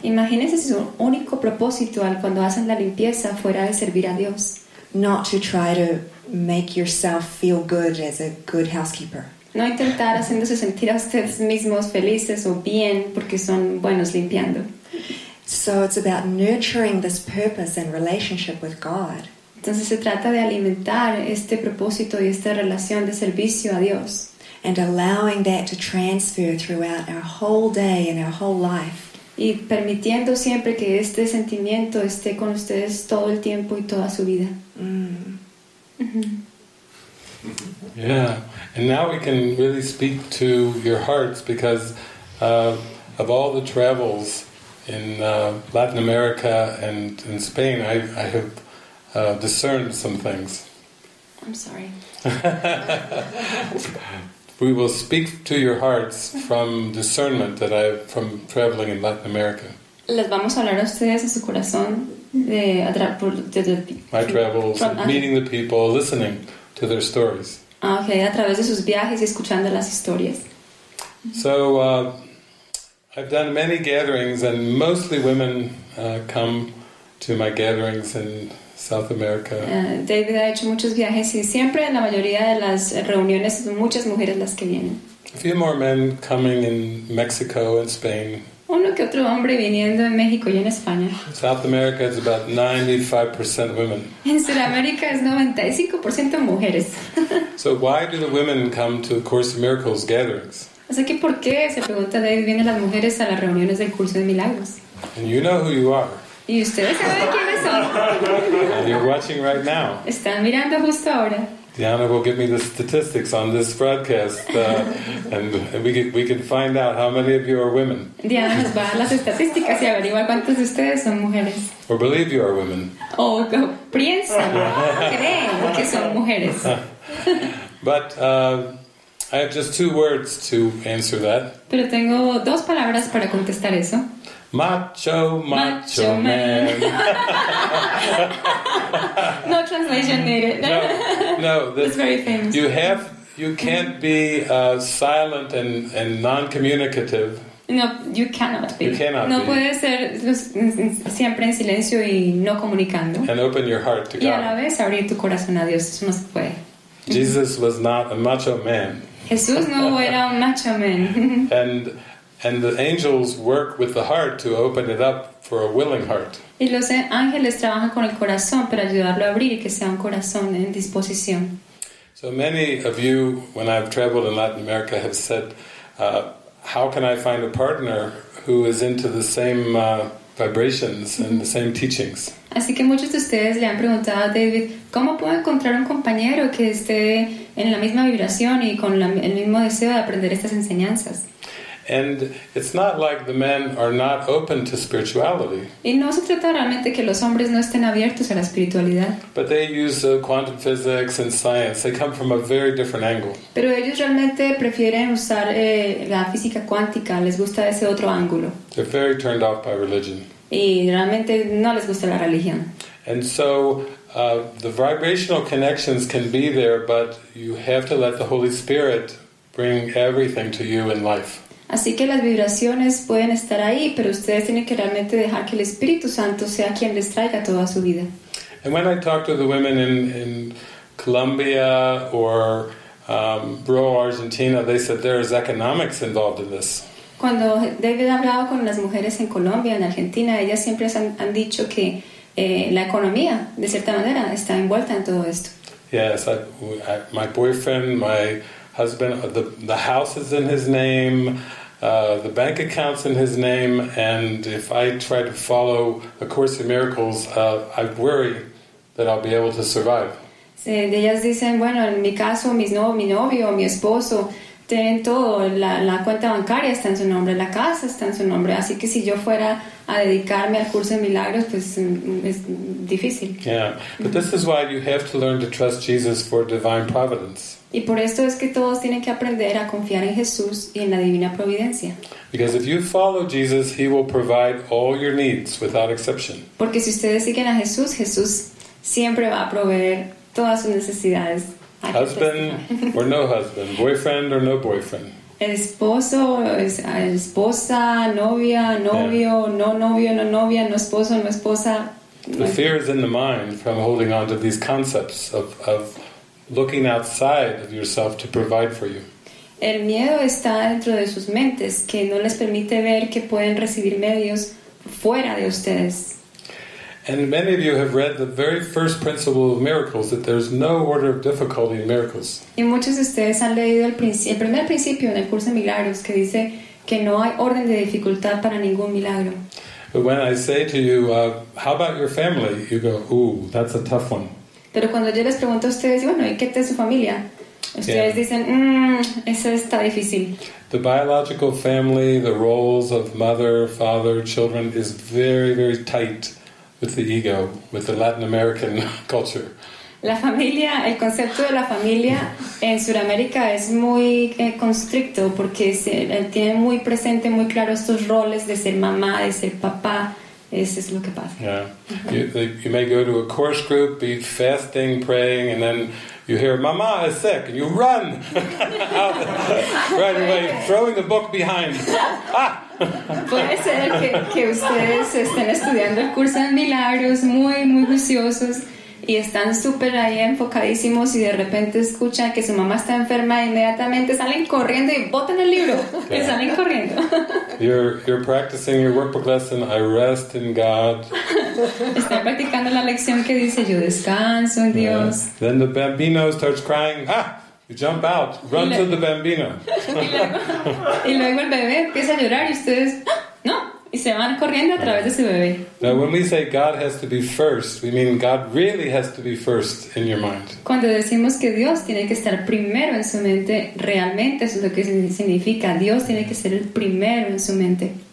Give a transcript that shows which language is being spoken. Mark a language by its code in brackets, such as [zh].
[es] Imagínense si su único propósito al cuando hacen la limpieza fuera de servir a Dios. [en] Not to try to make yourself feel good as a good housekeeper. [es] No intentar haciéndose sentir a ustedes mismos felices o bien porque son buenos limpiando. [en] So it's about nurturing this purpose and relationship with God. [es] Entonces se trata de alimentar este propósito y esta relación de servicio a Dios. [en] And allowing that to transfer throughout our whole day and our whole life. [es] Y permitiendo siempre que este sentimiento esté con ustedes todo el tiempo y toda su vida. [en] Yeah, and now we can really speak to your hearts because of all the travels in Latin America and in Spain, I have discerned some things. I'm sorry. We will speak to your hearts from discernment that I from traveling in Latin America. [es] Les vamos a hablar a ustedes a su corazón de [en] my travels, meeting the people, listening to their stories. [es] Okay, a través de sus viajes y escuchando las historias. [en] So, I've done many gatherings and mostly women come to my gatherings in South America. [es] David ha hecho muchos viajes y siempre en la mayoría de las reuniones son muchas mujeres las que vienen. [en] A few more men coming in Mexico and Spain. [es] Uno que otro hombre viniendo en México y en España. [en] South America is about 95% women. [es] En Sudamérica es 95% mujeres. [en] So why do the women come to Course in Miracles gatherings? [es] Así que por qué, se pregunta David, vienen las mujeres a las reuniones del Curso de Milagros. [en] And you know who you are. [es] Y ustedes saben quiénes son. [en] And you're watching right now. [es] Están mirando justo ahora. [en] Diana will give me the statistics on this broadcast, and we can find out how many of you are women. [es] Diana nos va a dar las estadísticas y averiguar cuántos de ustedes son mujeres. [en] Or believe you are women. [es] O piensan, creen que son mujeres. [en] But I have just two words to answer that. [es] Pero tengo dos palabras para contestar eso. [en] Macho man. No translation needed. No. It's very famous. You can't be silent and non-communicative. No, you cannot be. You cannot no be. [es] Puede ser siempre en silencio y no comunicando. [en] And open your heart to God. [es] Y a la vez abrir tu corazón a Dios. Eso no se puede. [en] Jesus was not a macho man. [es] Jesús no era un macho man. [en] And the angels work with the heart to open it up for a willing heart. [es] Y los ángeles trabajan con el corazón para ayudarlo a abrir y que sea un corazón en disposición. [en] So many of you, when I've traveled in Latin America, have said, how can I find a partner who is into the same vibrations and the same teachings? [es] Así que muchos de ustedes le han preguntado a David, ¿cómo puedo encontrar un compañero que esté en la misma vibración y con el mismo deseo de aprender estas enseñanzas? [en] And it's not like the men are not open to spirituality. [es] Y no se trata realmente que los hombres no estén abiertos a la espiritualidad. [en] But they use quantum physics and science. They come from a very different angle. [es] Pero ellos realmente prefieren usar la física cuántica. Les gusta ese otro ángulo. [en] They're very turned off by religion. [es] Y realmente no les gusta la religión. [en] And so the vibrational connections can be there, but you have to let the Holy Spirit bring everything to you in life. [es] Así que las vibraciones pueden estar ahí, pero ustedes tienen que realmente dejar que el Espíritu Santo sea quien les traiga toda su vida. [en] And when I talk to the women in Colombia or rural Argentina, they said there is economics involved in this. [es] Cuando David hablaba con las mujeres en Colombia, en Argentina, ellas siempre han dicho que la economía, de cierta manera, está envuelta en todo esto. [en] Yes, my boyfriend, my husband, the house is in his name, the bank account's in his name, and if I try to follow A Course in Miracles, I worry that I'll be able to survive. [es] Sí, ellas dicen, bueno, en mi caso, mi novio, mi esposo, tienen todo, la cuenta bancaria está en su nombre, la casa está en su nombre, así que si yo fuera a dedicarme al curso de milagros, pues es difícil. [en] Yeah, but this is why you have to learn to trust Jesus for divine providence. [es] Y por esto es que todos tienen que aprender a confiar en Jesús y en la divina providencia. [en] Because if you follow Jesus, he will provide all your needs without exception. [es] Porque si ustedes siguen a Jesús, Jesús siempre va a proveer todas sus necesidades. [en] Husband or no husband, boyfriend or no boyfriend. [es] Esposo, esposa, novia, novio, no novio, no novia, no esposo, no esposa. [en] The fear is in the mind from holding on to these concepts of looking outside of yourself to provide for you. [es] El miedo está dentro de sus mentes que no les permite ver que pueden recibir medios fuera de ustedes. [en] And many of you have read the very first principle of miracles, that there's no order of difficulty in miracles. [es] Y muchos de ustedes han leído el primer principio en el curso de milagros que dice que no hay orden de dificultad para ningún milagro. [en] But when I say to you, how about your family? You go, ooh, that's a tough one. [es] Pero cuando yo les pregunto a ustedes, bueno, ¿y qué tal su familia? Ustedes dicen, eso está difícil. [en] The biological family, the roles of mother, father, children is very, very tight. With the ego, with the Latin American culture. [es] La familia, el concepto de la familia en Sudamérica es muy constricto porque tiene muy presente, muy claro estos roles de ser mamá, de ser papá. Eso es lo que pasa. [en] Yeah. You may go to a course group, be fasting, praying, and then you hear, mama is sick, and you run right away, throwing the book behind. [es] Puede ser que ustedes estén estudiando el curso de milagros muy, muy juiciosos y están súper ahí enfocadísimos y de repente escuchan que su mamá está enferma e inmediatamente salen corriendo y botan el libro. Yeah. Y salen corriendo. [en] You're practicing your workbook lesson, I rest in God. [es] Están practicando la lección que dice, yo descanso en Dios. [en] Yeah. Then the bambino starts crying, ah! You jump out, run to the bambino. [es] Y luego el bebé empieza a llorar y ustedes, no, y se van corriendo a través de su bebé. [en] Now when we say God has to be first, we mean God really has to be first in your mind. [es] Cuando decimos que Dios tiene que estar primero en su mente, realmente eso es lo que significa. Dios tiene que ser el primero en su mente.